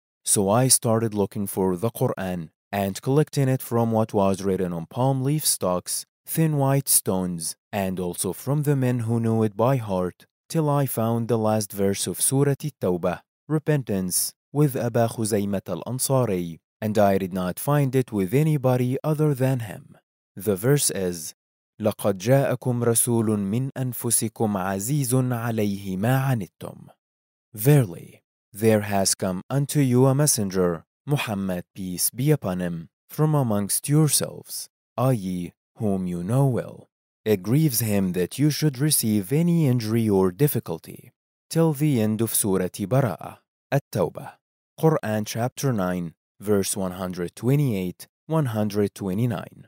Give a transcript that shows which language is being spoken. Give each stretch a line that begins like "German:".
English: So I started looking for the Quran and collecting it from what was written on palm leaf stalks, thin white stones, and also from the men who knew it by heart, till I found the last verse of Surah At-Tawbah, Repentance, with Aba Khuzaymah al-Ansari, and I did not find it with anybody other than him. The verse is,
Arabic: "لقد جاءكم رسول من أنفسكم عزيز عليه ما عنتم."
English: Verily, there has come unto you a messenger, Muhammad, peace be upon him, from amongst yourselves, i.e., whom you know well. It grieves him that you should receive any injury or difficulty. Till the end of Surah Bara'ah, At-Tawbah, Quran chapter 9, verse 128-129.